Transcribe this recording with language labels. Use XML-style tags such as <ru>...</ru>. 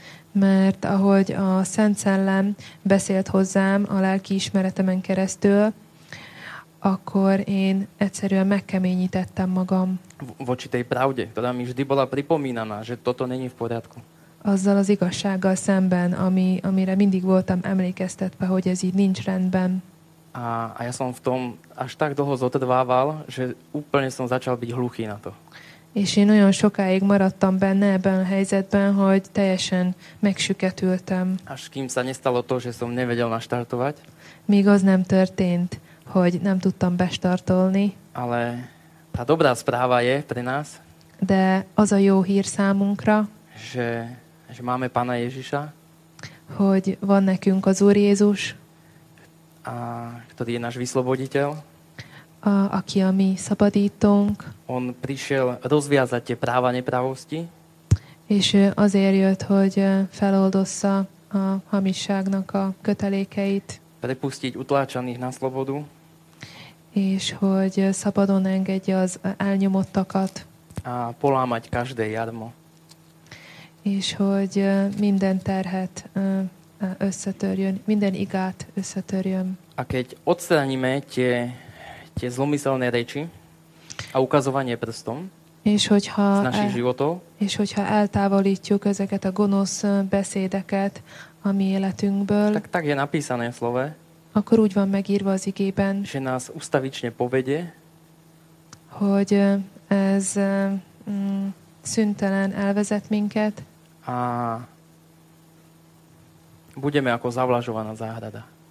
<hu>Mert ahogy a Szent Szellem beszélt hozzám a lelki ismeretemen keresztül, akkor én egyszerűen megkeményítettem magam.</hu> <sk>Voči tej pravde, ktorá mi vždy bola pripomínaná, že toto není v poriadku.</sk> <hu>Azzal az igazsággal szemben, amire mindig voltam emlékeztetve, hogy ez így nincs rendben.</hu> <sk>A ja som v tom až tak dlho zotrvával, že úplne som začal byť hluchý na to.</sk> <hu>És én olyan sokáig maradtam benne ebben a helyzetben, hogy teljesen megsüketültem.</hu> <sk>Až kým sa nestalo to, že som nevedel naštartovať.</sk> <hu>Míg az nem történt, hogy nem tudtam bestartolni.</hu> <sk>Ale tá dobrá správa je pre nás.</sk> <hu>De az a jó hír számunkra.</hu> <sk>Že máme Pána Ježiša.</sk> <hu>Hogy van nekünk az Úr Jézus.</hu> <sk>A ktorý je náš vysloboditeľ.</sk> <hu>A aký a mi szabadítónk.</hu> <sk>On prišiel rozviazať tie práva nepravosti.</sk> <hu>És azért jött, hogy feloldossa a hamisságnak a kötelékeit.</hu> <sk>Prepustiť utláčaných na slobodu.</sk> <hu>És hogy szabadon engedje az elnyomottakat.</hu> <sk>A polámať každé jarmo.</sk> <hu>És hogy minden terhet összetörjön, minden igát összetörjön.</hu> <sk>A keď odstraníme tie zlomyselné reči a ukazovanie prstom</sk> <hu>és hogyha</hu> <sk>z našich životov.</sk> <hu>És hogyha eltávolítjuk ezeket a gonosz beszédeket a mi életünkből.</hu> <sk>Tak je napísané v slove.</sk> <hu>Akkor úgy van megírva az igében.</hu> <sk>Že nás ustavične povedie.</sk> <hu>Hogy ez szüntelen elvezet minket.</hu> <sk>A budeme ako zavlažovaná záhrada.</sk>